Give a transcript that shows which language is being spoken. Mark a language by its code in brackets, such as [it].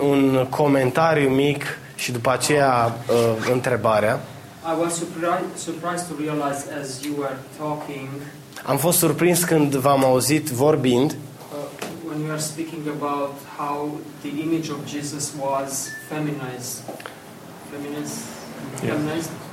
[ro] Un comentariu mic și după aceea întrebarea. [en] I was surprised to realize as you were talking. [ro] Am fost surprins când v-am auzit vorbind. [en] When you are speaking about how the image of Jesus was feminized.